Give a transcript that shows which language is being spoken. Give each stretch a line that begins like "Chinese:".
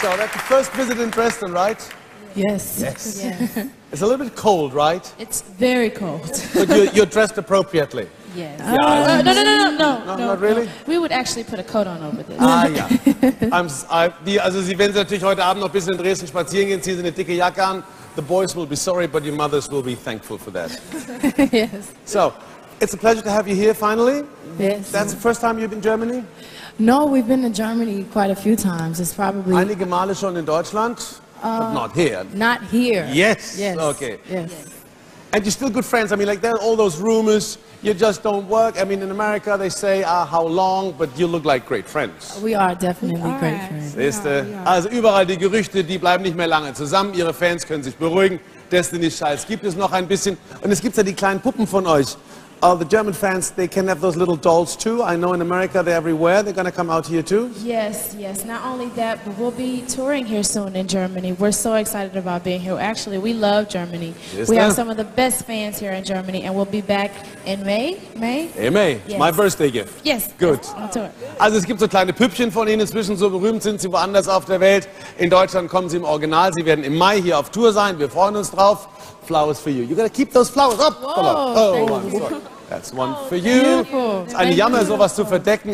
English: So that's the first visit in Dresden, right? Yes. Yes. It's a little bit cold, right? It's very cold. But you're dressed appropriately. Yes. Yeah. No, not really. No. We would actually put a coat on over this.
German: Sie werden natürlich heute Abend noch ein bisschen in Dresden spazieren gehen, ziehen Sie eine dicke Jacke an.
English: The boys will be sorry, but your mothers will be thankful for that. Yes. So, it's a pleasure to have you here finally. Yes. That's the first time you've been in Germany? No, we've been in Germany quite a few times. It's probably
German: einige Male schon in Deutschland,
English: but not here. Not here. Yes. Yes. Okay. Yes. And you're still good friends. I mean, like there are all those rumors. You just don't work. I mean, in America, they say, how long? But you look like great friends. We are definitely great friends.
German: Also überall die Gerüchte, die bleiben nicht mehr lange zusammen. Ihre Fans können sich beruhigen. Destiny's Child gibt es noch ein bisschen. Und es gibt ja die kleinen Puppen von euch.
English: The German fans, they can have those little dolls too. I know in America, they're everywhere. They're going to come out here too. Yes, yes. Not only that, but we'll be touring here soon in Germany. We're so excited about being here. Actually, we love Germany. Yes, we have some of the best fans here in Germany, and we'll be back in May. May. Yes. My birthday gift. Yes. Good.
German: Also es gibt so kleine Püppchen von Ihnen inzwischen. So berühmt sind Sie woanders auf der Welt. In Deutschland kommen Sie im Original. Sie werden im Mai hier auf Tour sein. Wir freuen uns drauf.
English: Flowers for you. You gotta keep those flowers up. Whoa, that's one for you.
German: Es ist eine Jammer, sowas zu verdecken.